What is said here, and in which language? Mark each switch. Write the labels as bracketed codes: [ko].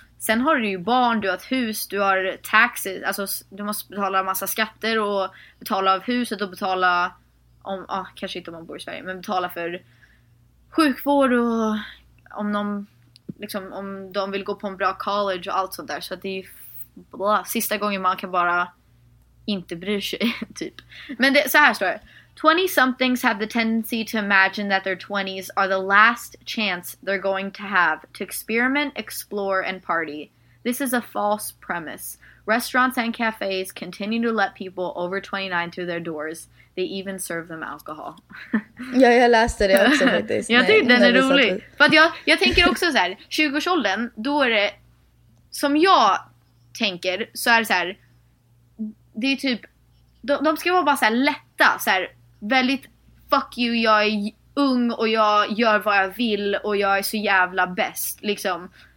[sv] Sen har du ju barn, du har ett hus, du har taxes, alltså du måste betala massa skatter och betala av huset och betala om, kanske inte om man bor i Sverige, men betala för sjukvård och om de liksom, om de vill gå på en bra college och allt sånt där. Så att det är ju sista gången man kan bara inte bry sig, typ. Men det, så här står det: [en] 20-somethings have the tendency to imagine that their 20s are the last chance they're going to have to experiment, explore, and party. This is a false premise. Restaurants and cafes continue to let people over 29 through their doors. They even serve them alcohol. [sv] Ja, jag läste det också faktiskt. Jag tyckte den är rolig. För att jag tänker också så här, 20-årsåldern, då är det, som jag tänker, så är det så här, det är typ, de ska vara bara så här lätta, så här, väldigt fuck you, jag är ung och jag gör vad jag vill och jag är så jävla bäst liksom.